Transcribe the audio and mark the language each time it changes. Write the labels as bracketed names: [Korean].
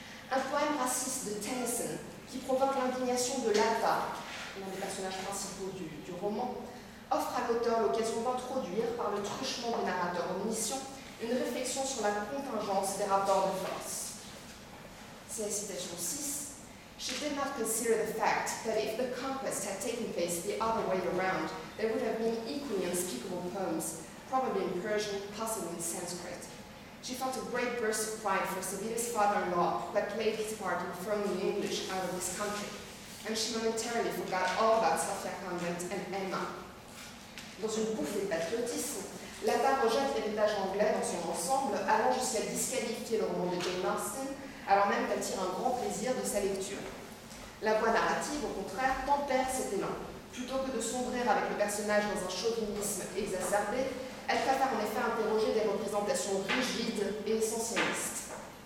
[French] Un poème raciste de Tennyson qui provoque l'indignation de Lava, l'un des personnages principaux du roman, offre à l'auteur l'occasion d'introduire, par le truchement du narrateur omniscient, une réflexion sur la contingence des rapports de force. C'est la citation 6. [English] She did not consider the fact that if the conquest had taken place the other way around, there would have been equally unspeakable poems, probably in Persian, possibly in Sanskrit. She felt a great burst of pride for Sevilla's father-in-law, who had played his part in throwing the English out of this country, and she momentarily forgot all about Safia Convent and Emma. [French] Dans une bouffée de patriotisme, Lava rejette l'héritage anglais dans son ensemble, allant jusqu'à disqualifier le roman de Jane Austen, alors même qu'elle tire un grand plaisir de sa lecture. La voix narrative, au contraire, tempère cet élan. Plutôt que de sombrer avec le personnage dans un chauvinisme exacerbé, elle préfère en effet interroger des représentations rigides et essentialistes.